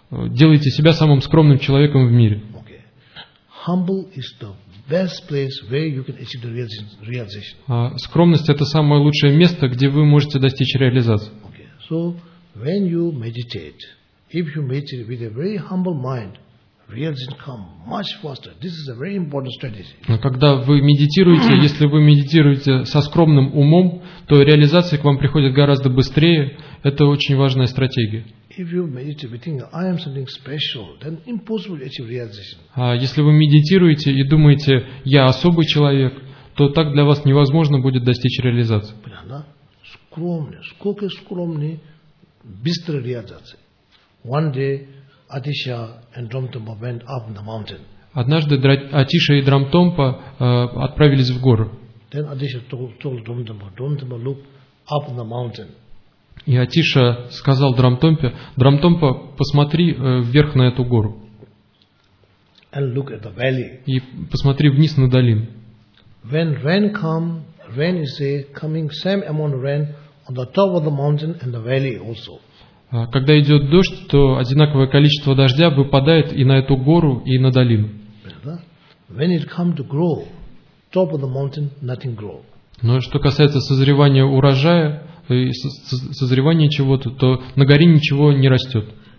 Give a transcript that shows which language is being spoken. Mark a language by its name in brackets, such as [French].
[Russian] Делайте себя самым скромным человеком в мире. [English] Okay. Humble is the best place where you can achieve the realization. [Russian] Скромность — это самое лучшее место, где вы можете достичь реализации. [English] Okay. So when you meditate, if you meditate with a very humble mind, realization come much faster. This is a very important strategy. [Russian] Когда вы медитируете, если вы медитируете со скромным умом, то реализация к вам приходит гораздо быстрее. Это очень важная стратегия. If you meditate, you think I am something special, then impossible to achieve realization. А если вы медитируете и думаете, я особый человек, то так для вас невозможно будет достичь реализации. Понятно? Скромный, сколько скромный, быстрая реализация. [English] One day, Atisha and Dromtompa went up the mountain. [Russian] Однажды Атиша и Драмтомпа отправились в гору. [English] Then Atisha told Dromtompa, Dromtompa, look up the mountain. [Russian] И Атиша сказал Драмтомпе: «Драмтомпа, посмотри вверх на эту гору. [English] And look at the valley. [Russian] И посмотри вниз на долину. [English] When rain come, rain is coming same amount of rain on the top of the mountain and the valley also. [Russian] Когда идет дождь, то одинаковое количество дождя выпадает и на эту гору, и на долину. Но что касается созревания урожая, созревания чего-то, то на горе ничего не растет.